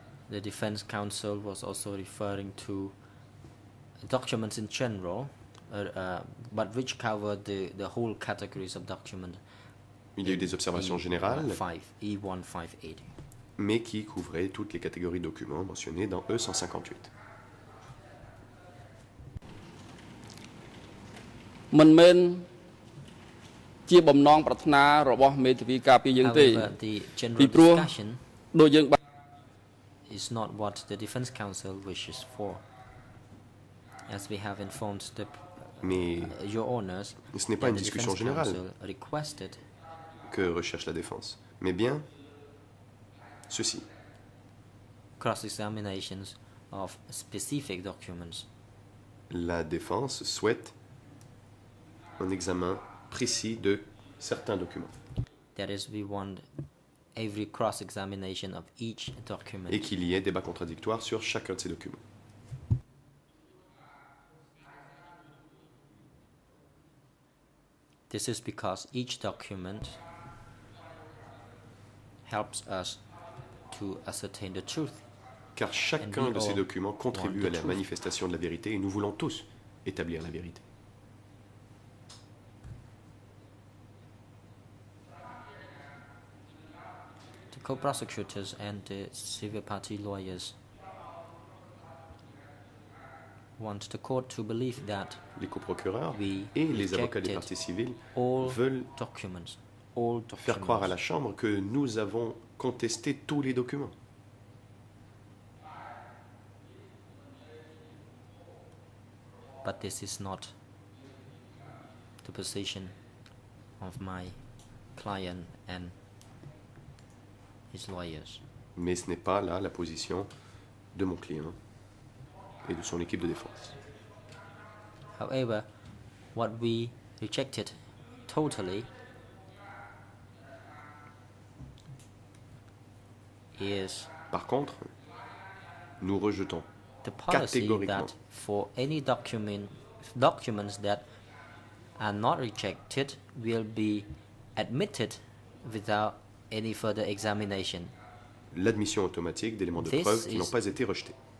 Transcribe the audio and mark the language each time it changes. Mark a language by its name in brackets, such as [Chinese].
[English] The defense counsel was also referring to documents in general, but which cover the whole categories of documents. [French] Il y a eu des observations générales, E-158. Mais qui couvraient toutes les catégories de documents mentionnées dans E-158. Mình men chia bầm non prathna robo me tivi ka pi yeung te [English] pi pru do yeung ba is not what the defense counsel wishes for as we have informed the your honors [French] ce n'est pas une discussion générale [English] requested [French] que recherche la défense mais bien ceci [English] cross examinations of specific documents [French] la défense souhaite un examen précis de certains documents. [English] That is, we want every cross-examination of each document. [French] Et qu'il y ait débat contradictoire sur chacun de ces documents. [English] This is because each document helps us to ascertain the truth. [French] Car chacun de ces documents contribue à la manifestation de la vérité et nous voulons tous établir la vérité. [English] Co-prosecutors and the civil party lawyers want the court to believe that [French] les coprocureurs et les avocats des parties civiles veulent [English] all documents. [French] Faire croire à la Chambre que nous avons contesté tous les documents. [English] But this is not the position of my client and his lawyers. [French] Mais ce n'est pas là la position de mon client et de son équipe de défense. [English] However, what we rejected totally is [French] par contre, nous rejetons [English] the policy that for any documents that are not rejected will be admitted without any further examination. [French] L'admission automatique d'éléments de preuve qui n'ont pas été rejetés.